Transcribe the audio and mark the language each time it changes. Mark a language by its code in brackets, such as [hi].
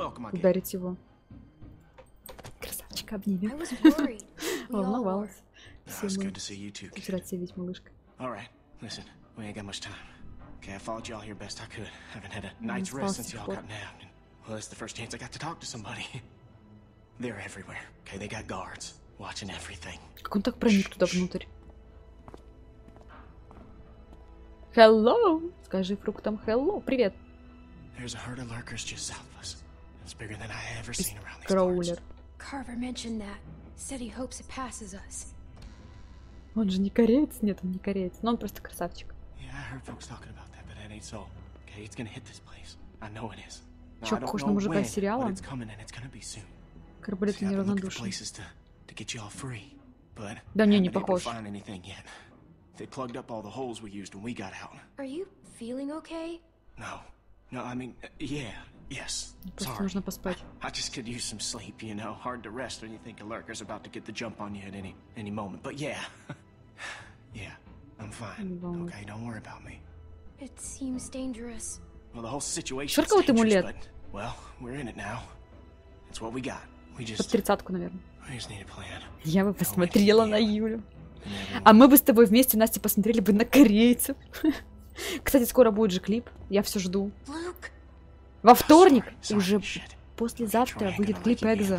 [ru] Ударить его. Красавчик, обнимем. Волновалась. Все мы. Рад тебя видеть, малышка. [en] All right, listen, we ain't got much time. Okay, I followed y'all here best I could. I haven't had a night's rest since y'all got nabbed. And, well, it's the first chance I got to talk to somebody. They're everywhere, okay? They got guards watching everything. [ru] Как он так проник туда внутрь? [en] Hello! [ru] Скажи фруктам [en] hello. [ru] Привет! [en] There's a herd of lurkers just south of us. It's bigger than I ever seen around these parts. Carver mentioned that. Said he hopes it passes us. [ru] Он же не кореец, нет, он не кореец, но он просто красавчик. [en] Yeah, I heard folks talking about that, but that ain't so. Okay, it's gonna hit this place. I know it is. [ru] Чё, похож на мужика из сериала? [en] But it's coming and it's gonna be soon. [ru] Карболет не равнодушен. [en] To get you all free, but [ru] да не, не похож. [en] Find anything yet? They plugged up all the holes we used when we got out. Are you feeling okay? No, no, I mean, yeah, yes. [ru] Просто нужно поспать. [en] I just could use some sleep, you know. Hard to rest when you think a lurker's about to get the jump on you at any moment. But yeah, yeah, I'm fine. Okay, don't worry about me. It seems dangerous. Well, the whole situation's dangerous, but well, we're in it now. That's what we got. We just. [ru] Под тридцатку, наверное. [en] I just need a plan. [ru] Я бы посмотрела на Юлю. А мы бы с тобой вместе, Настя, посмотрели бы на корейцев. Кстати, скоро будет же клип. Я все жду. Во вторник, уже послезавтра, будет клип Экзо.